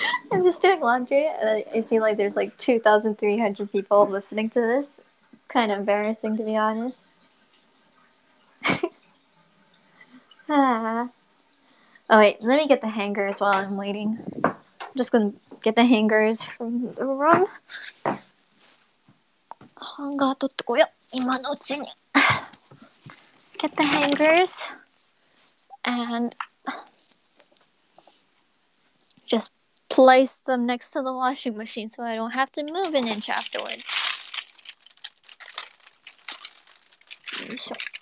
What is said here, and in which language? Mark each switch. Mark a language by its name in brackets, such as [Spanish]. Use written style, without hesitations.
[English] I'm just doing laundry and I see like there's like 2,300 people listening to this. It's kind of embarrassing to be honest. Oh wait, let me get the hangers while I'm waiting. I'm just gonna get the hangers from the room. [Japanese] ハンガー取ってこよ、今のうちに。 [English] Get the hangers and just place them next to the washing machine so I don't have to move an inch afterwards. [Japanese] よいしょ。